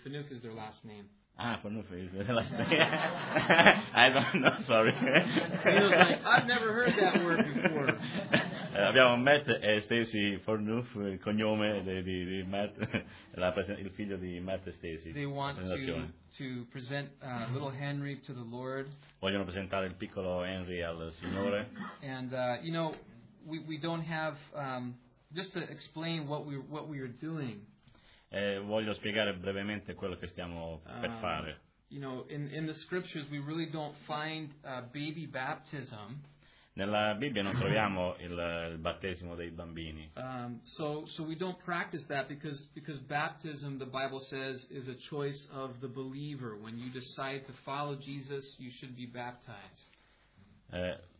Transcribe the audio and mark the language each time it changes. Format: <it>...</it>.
<en>Fanouf is their last name. For no face. Last day. I don't know, sorry. Like, I've never heard that word before.</en> <it>Abbiamo Matt e Stacy Fornuf, il cognome di Matt, il figlio di Matt e Stacy.</it> <en>They want to present little Henry to the Lord.</en> <it>Vogliono presentare il piccolo Henry al Signore.</it> <en>And, you know, we don't have, just to explain what we are doing.</en> <it>Voglio spiegare brevemente quello che stiamo per fare.</it> <en>You know, in the scriptures we really don't find baby baptism.</en> <it>Nella Bibbia non troviamo il battesimo dei bambini.</it> <en>So we don't practice that because baptism, the Bible says, is a choice of the believer. When you decide to follow Jesus, you should be baptized.</en>